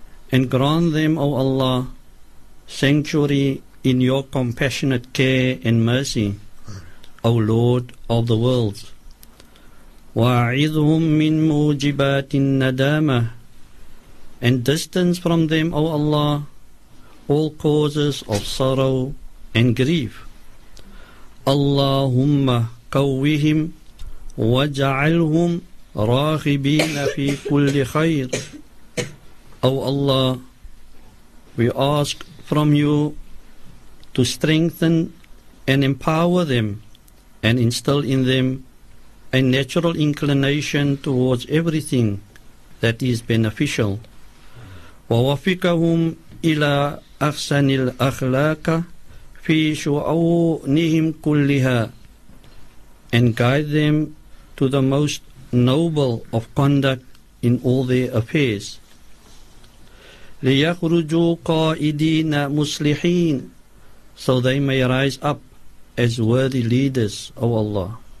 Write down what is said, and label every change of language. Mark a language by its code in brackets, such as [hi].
[en] And grant them, O Allah, sanctuary in your compassionate care and mercy, O Lord of the worlds. [ar] وَاعِذْهُمْ مِنْ مُوجِبَاتِ النَّدَامَةِ. [en] And distance from them, O Allah, all causes of sorrow and grief. [ar] اللهم قوهم وجعلهم راغبين في كل خير. [en] O Allah, we ask from you to strengthen and empower them and instill in them a natural inclination towards everything that is beneficial. [ar] ووفقهم إلى أحسن الأخلاق في شؤونهم كلها. [en] And guide them to the most noble of conduct in all their affairs. [ar] ليخرجوا قائدين مسلحين. [en] So they may rise up as worthy leaders, O Allah.